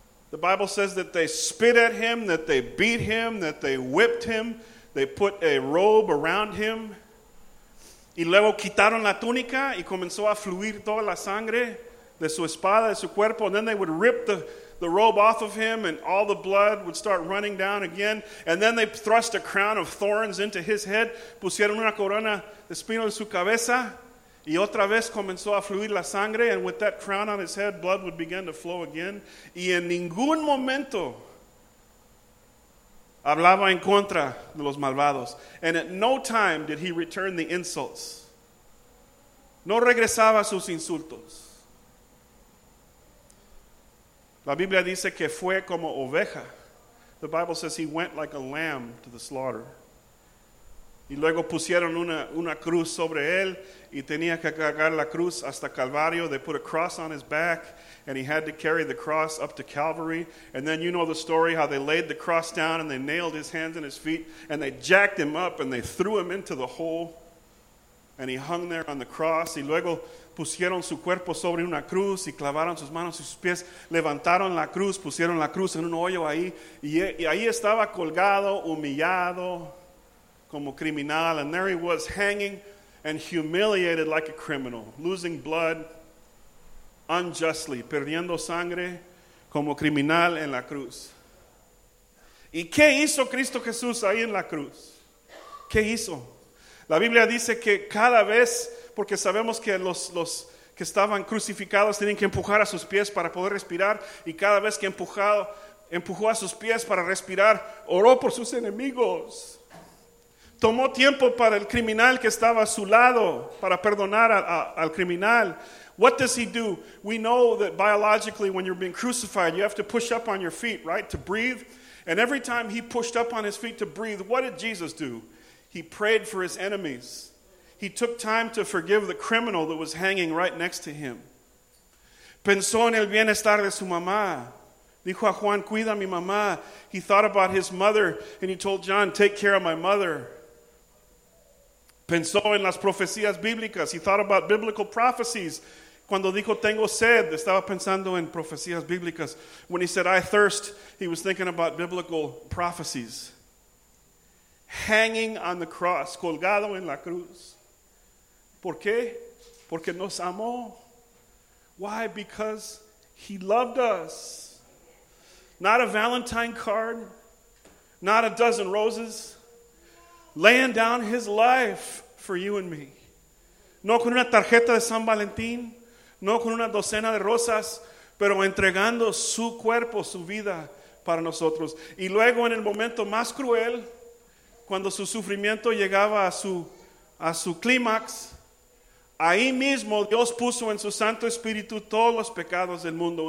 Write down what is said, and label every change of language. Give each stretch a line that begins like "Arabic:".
English: The Bible says that they spit at him, that they beat him, that they whipped him. They put a robe around him.
Spanish: Y luego quitaron la túnica y comenzó a fluir toda la sangre de su espada, de su cuerpo.
English: And then they would rip the robe off of him and all the blood would start running down again. And then they thrust a crown of thorns into his head.
Spanish: Pusieron una corona de espino en su cabeza. Y otra vez comenzó a fluir la sangre,
English: and with that crown on his head, blood would begin to flow again.
Spanish: Y en ningún momento hablaba en contra de los malvados.
English: And at no time did he return the insults.
Spanish: No regresaba sus insultos. La Biblia dice que fue como oveja.
English: The Bible says he went like a lamb to the slaughter.
Spanish: Y luego pusieron una cruz sobre él y tenía que cargar la cruz hasta Calvario.
English: They put a cross on his back and he had to carry the cross up to Calvary. And then you know the story, how they laid the cross down and they nailed his hands and his feet and they jacked him up and they threw him into the hole. And he hung there on the cross.
Spanish: Y luego pusieron su cuerpo sobre una cruz y clavaron sus manos y sus pies. Levantaron la cruz, pusieron la cruz en un hoyo ahí. Y ahí estaba colgado, humillado, como criminal.
English: And there he was hanging and humiliated like a criminal, losing blood unjustly,
Spanish: perdiendo sangre como criminal en la cruz. ¿Y qué hizo Cristo Jesús ahí en la cruz? ¿Qué hizo? La Biblia dice que cada vez, porque sabemos que los que estaban crucificados tenían que empujar a sus pies para poder respirar, y cada vez que empujó a sus pies para respirar, oró por sus enemigos. Tomó tiempo para el criminal que estaba a su lado, para perdonar al criminal.
English: What does he do? We know that biologically when you're being crucified, you have to push up on your feet, right, to breathe. And every time he pushed up on his feet to breathe, what did Jesus do? He prayed for his enemies. He took time to forgive the criminal that was hanging right next to him.
Spanish: Pensó en el bienestar de su mamá. Dijo a Juan, cuida a mi mamá.
English: He thought about his mother, and he told John, take care of my mother.
Spanish: Pensó en las profecías bíblicas.
English: He thought about biblical prophecies.
Spanish: Cuando dijo, tengo sed, estaba pensando en profecías bíblicas.
English: When he said, I thirst, he was thinking about biblical prophecies. Hanging on the cross,
Spanish: colgado en la cruz. ¿Por qué? Porque nos amó.
English: Why? Because he loved us. Not a Valentine card, not a dozen roses. Laying down his life for you and me.
Spanish: No con una tarjeta de San Valentín, no con una docena de rosas, pero entregando su cuerpo, su vida para nosotros. Y luego en el momento más cruel, cuando su sufrimiento llegaba a su clímax, ahí mismo Dios puso en su Santo Espíritu todos los pecados del mundo.